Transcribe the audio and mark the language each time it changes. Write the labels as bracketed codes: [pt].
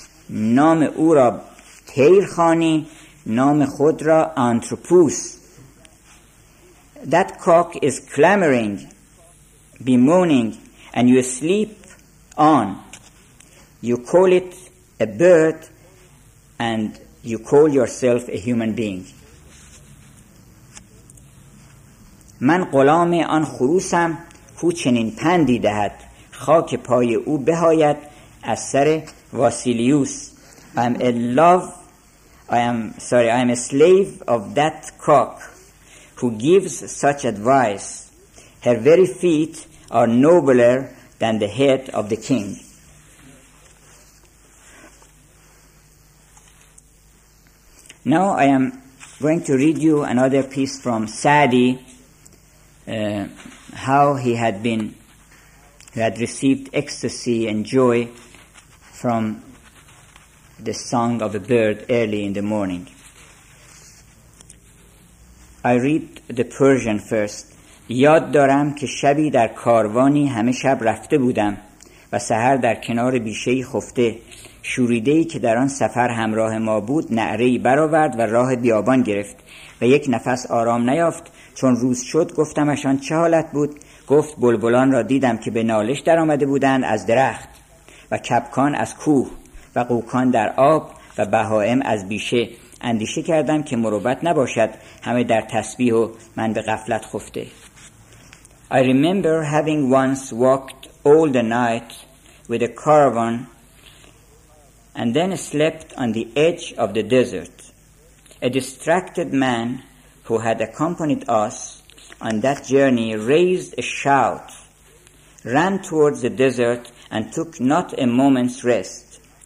[fa] نام او را تیر خانی، نام خود را آنتروپوس. [en] That cock is clamoring, bemoaning, and you sleep on. You call it a bird, and you call yourself a human being. [fa] من غلام آن خروسم کو چنین پندی دهد، خاک پای او بهایت از سر واسیلیوس. [en] I am a slave of that cock who gives such advice. Her very feet are nobler than the head of the king. Now I am going to read you another piece from Sa'di, how he had received ecstasy and joy from the song of a bird early in the morning. I read the Persian first. [fa] یاد دارم که شبی در کاروانی همه شب رفته بودم و سحر در کنار بیشه‌ای خفته، شوریده‌ای که در آن سفر همراه ما بود نعره‌ای برآورد و راه بیابان گرفت و یک نفس آرام نیافت. چون روز شد گفتمش آن چه حالت بود؟ گفت بلبلان را دیدم که به نالش در آمده بودند از درخت، و کبکان از کوه، و قوکان در آب، و بهائم از بیشه. اندیشه کردم که مروبت نباشد، همه در تسبیح و من به غفلت خفته. [en] I remember having once walked all the night with a caravan and then slept on the edge of the desert. A distracted man who had accompanied us on that journey raised a shout, ran towards the desert and took not a moment's rest.